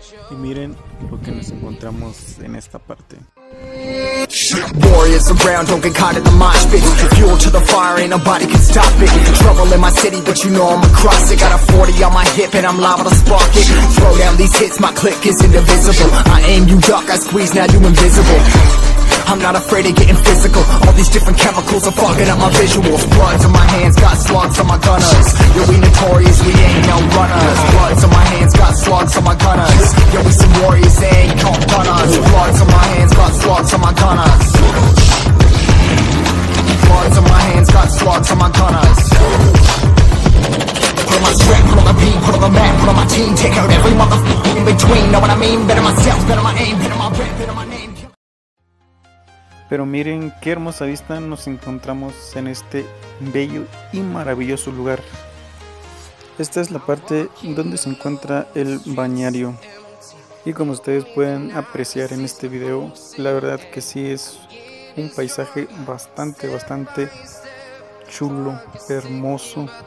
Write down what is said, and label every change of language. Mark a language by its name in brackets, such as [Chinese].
[Spanish] Y miren lo que nos encontramos en esta parte. [English] Warriors around, don't get caught in the mosh pit. Fuel to the fire, ain't nobody can stop it. Trouble in my city, but you know I'm across it. Got a 40 on my hip and I'm liable to spark it. Throw down these hits, my click is indivisible. I aim you duck, I squeeze, now you invisible. I'm not afraid of getting physical. All these different chemicals are fogging up my visuals. Bloods on my hands, got slugs on my gunners. Yo, we notorious, we ain't no runners. Bloods on my hands, got slugs on my gunners. Yo, we some warriors, they ain't called gunners. Bloods on my hands, got slugs on my gunners. Bloods on my hands, got slugs on my gunners. Put on my strap, put on the beat, put on the map, put on my team. Take out every motherfucker in between. Know what I mean? Better myself, better my aim, better my breath, better my name. [Spanish] Pero miren qué hermosa vista nos encontramos en este bello y maravilloso lugar. Esta es la parte donde se encuentra el bañario. Y como ustedes pueden apreciar en este video, la verdad que sí es un paisaje bastante, bastante chulo, hermoso.